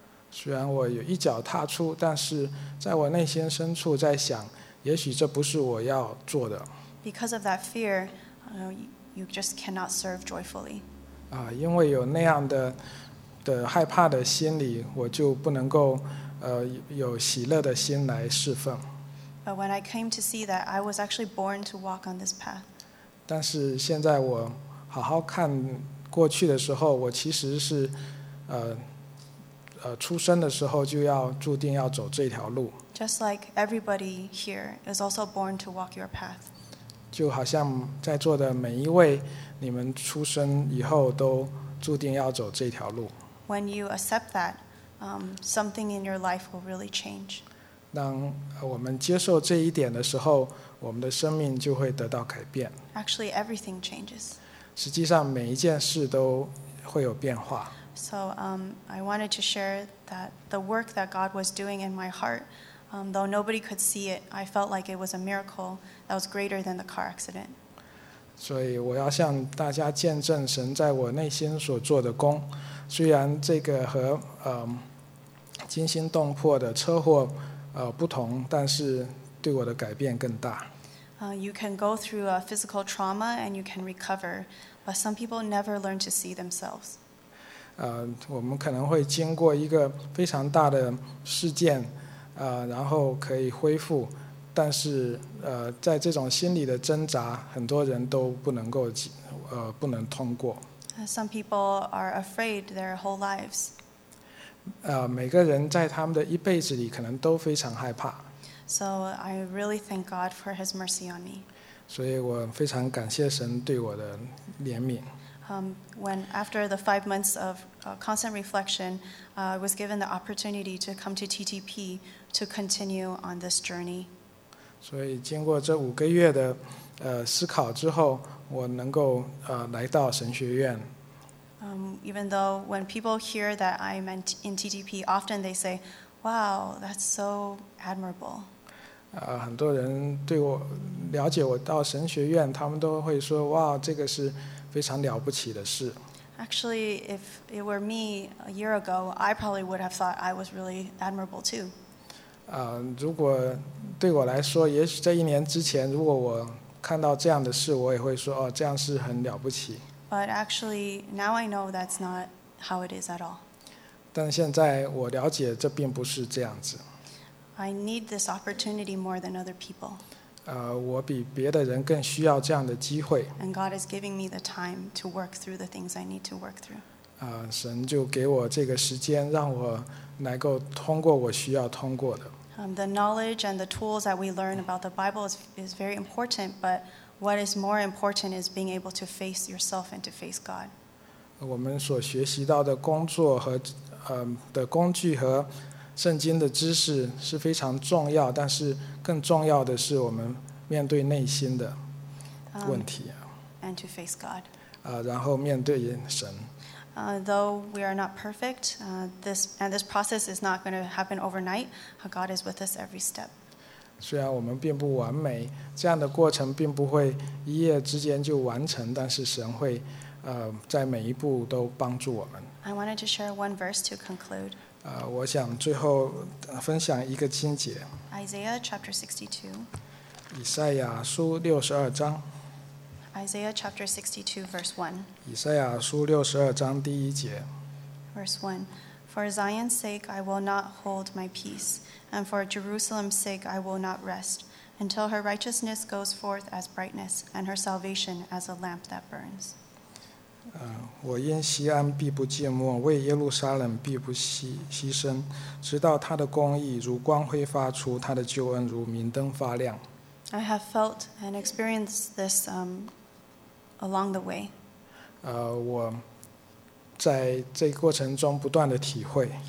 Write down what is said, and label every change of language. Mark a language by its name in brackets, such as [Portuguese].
[Chinese] 虽然我有一脚踏出，但是在我内心深处在想，也许这不是我要做的。 [English] Because of that fear, you just cannot serve joyfully. [Chinese] 因为有那样的害怕的心理，我就不能够有喜乐的心来侍奉。 [English] But when I came to see that, I was actually born to walk on this path. [Chinese] 但是现在我好好看过去的时候，我其实是出生的时候就要注定要走这条路。 [English] Just like everybody here is also born to walk your path. [Chinese] 就好像在座的每一位，你们出生以后都注定要走这条路。 [English] When you accept that, something in your life will really change. [Chinese] 当我们接受这一点的时候，我们的生命就会得到改变。 [English] Actually, everything changes. [Chinese] 实际上每一件事都会有变化。 [English] So, I wanted to share that the work that God was doing in my heart,though nobody could see it, I felt like it was a miracle that was greater than the car accident. [Chinese] 所以我要向大家见证神在我内心所做的工。虽然这个和惊心动魄的车祸不同，但是对我的改变更大。 [English] You can go through a physical trauma and you can recover, but some people never learn to see themselves. [Chinese] 我们可能会经过一个非常大的事件。然后可以恢复，但是在这种心理的挣扎，很多人都不能通过。 [English] Some people are afraid their whole lives. [Chinese] 每个人在他们的一辈子里可能都非常害怕。 [English] So I really thank God for His mercy on me. [Chinese] 所以我非常感谢神对我的怜悯。 [English] When after the 5 months of constant reflection, I was given the opportunity to come to TTP to continue on this journey. [Chinese] 所以经过这五个月的思考之后，我能够来到神学院。 [English] Even though when people hear that I'm in TTP, often they say, "Wow, that's so admirable." [Chinese] 很多人对我了解我到神学院，他们都会说，哇，这个是。非常了不起的事。 [English] Actually, if it were me a year ago, I probably would have thought I was really admirable too. [Chinese] 如果对我来说，也许在一年之前，如果我看到这样的事，我也会说，哦，这样是很了不起。 [English] But actually, now I know that's not how it is at all. [Chinese] 但现在我了解，这并不是这样子。 [English] I need this opportunity more than other people. [Chinese] 我比别的人更需要这样的机会。 [English] And God is giving me the time to work through the things I need to work through. [Chinese] 神就给我这个时间，让我能够通过我需要通过的。 [English] The knowledge and the tools that we learn about the Bible is very important, but what is more important is being able to face yourself and to face God. [Chinese] 我们所学习到的工作和的工具和圣经的知识是非常重要，但是更重要的是我们面对内心的问题。 [English] And to face God. [Chinese] 然后面对神。 [English] Though we are not perfect, this process is not going to happen overnight. God is with us every step. [Chinese] 虽然我们并不完美，这样的过程并不会一夜之间就完成，但是神会在每一步都帮助我们。 [English] I wanted to share one verse to conclude. [Chinese] 我想最后分享一个经节。 [English] Isaiah chapter 62. [Chinese] 以赛亚书62章。 [English] Isaiah chapter 62 verse 1. [Chinese] 以赛亚书62章第一节。 [English] Verse 1. For Zion's sake I will not hold my peace, and for Jerusalem's sake I will not rest, until her righteousness goes forth as brightness, and her salvation as a lamp that burns. [Chinese] 我因锡安必不寂寞，为耶路撒冷必不牺牲，直到他的公义如光辉发出，他的救恩如明灯发亮。 [English] I have felt and experienced this along the way. [Chinese] 我在这过程中不断的体会。